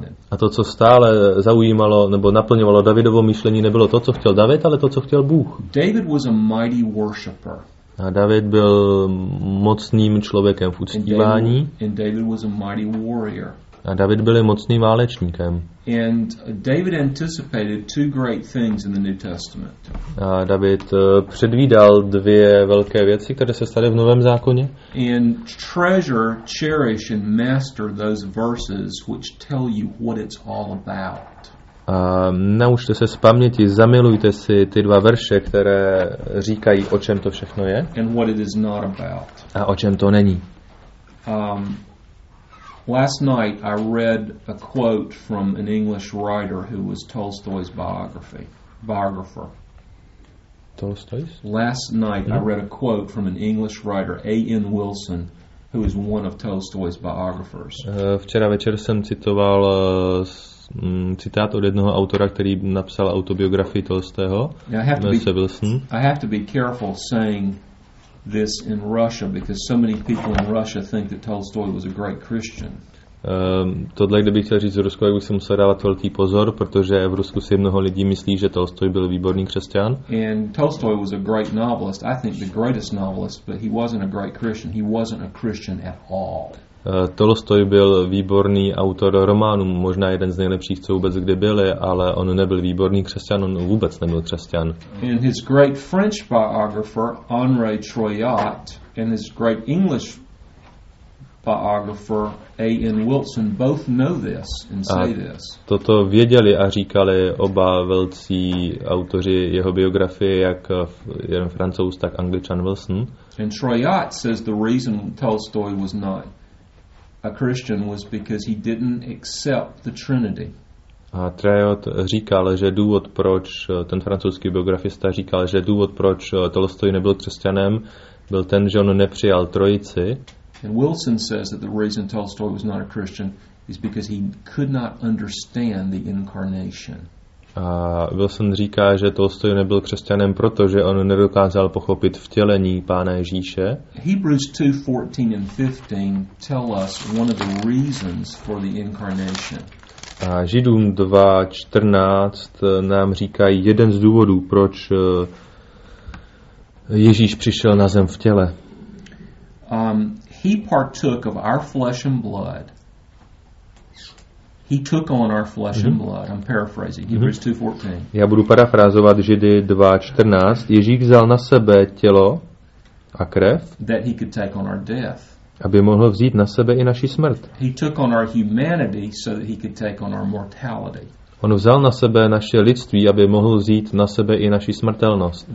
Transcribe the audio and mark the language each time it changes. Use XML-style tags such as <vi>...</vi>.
<cs>A to, co stále zaujímalo nebo naplňovalo Davidovo myšlení, nebylo to, co chtěl David, ale to, co chtěl Bůh.</cs> <en>David was a mighty worshipper.</en> <cs>A David byl mocným člověkem v uctívání.</cs> <en>And David was a mighty warrior.</en> <cs>A David byl mocným válečníkem.</cs> <en>And David anticipated two great things in the New Testament.</en> <cs>A David předvídal dvě velké věci, které se staly v Novém zákoně.</cs> <en>And treasure, cherish and master those verses which tell you what it's all about.</en> <cs>A naučte se z paměti, zamilujte si ty dva verše, které říkají, o čem to všechno je.</cs> <en>And what it is not about.</en> <cs>A o čem to není.</cs> <en>Last night I read a quote from an English writer who was Tolstoy's biographer. Tolstoy's? Last night I read a quote from an English writer, A.N. Wilson, who is one of Tolstoy's biographers.</en> <cs>Včera večer jsem citoval citát od jednoho autora, který napsal autobiografii Tolstého.</cs> <en>I have to be careful saying this in Russia because so many people in Russia think that Tolstoy was a great Christian.</en> <cs>Tohle, kdybych chtěl říct z Rusku, bych si musel dávat velký pozor, protože v Rusku si mnoho lidí myslí, že Tolstoj byl výborný křesťan.</cs> <en>And Tolstoy was a great novelist. I think the greatest novelist, but he wasn't a great Christian. He wasn't a Christian at all.</en> <cs>Tolstoj byl výborný autor románů, možná jeden z nejlepších, co vůbec kdy byli, ale on nebyl výborný křesťan, on vůbec nebyl křesťan.</cs> <en>And his great French biographer Henri Troyat and his great English biographer A.N. Wilson both know this and say this.</en> <cs>Toto věděli a říkali oba velcí autoři jeho biografie, jak jeden Francouz, tak Angličan Wilson.</cs> <en>And Troyat says the reason Tolstoy was not a Christian was because he didn't accept the Trinity.</en> <cs>A Troyat říkal, že důvod, proč ten francouzský biografista říkal, že důvod, proč Tolstoj nebyl křesťanem, byl ten, že on nepřijal Trojici.</cs> <en>And Wilson says that the reason Tolstoy was not a Christian is because he could not understand the incarnation.</en> <cs>A Wilson říká, že Tolstoj nebyl křesťanem, protože on nedokázal pochopit vtělení Pána Ježíše.</cs> <en>Hebrews 2:14 and 15 tell us one of the reasons for the incarnation.</en> <cs>A Židům 2:14 nám říkají jeden z důvodů, proč Ježíš přišel na zem v těle.</cs> <en>He partook of our flesh and blood. He took on our flesh and blood. I'm paraphrasing. Hebrews 2:14.</en> <cs>Já budu parafrázovat Židy 2:14. Ježíš vzal na sebe tělo a krev,</cs> <en>that he could take on our death.</en> <cs>Aby mohl vzít na sebe i naši smrt.</cs> <en>He took on our humanity so that he could take on our mortality.</en> <cs>On vzal na sebe naše lidství, aby mohl vzít na sebe i naši smrtelnost.</cs>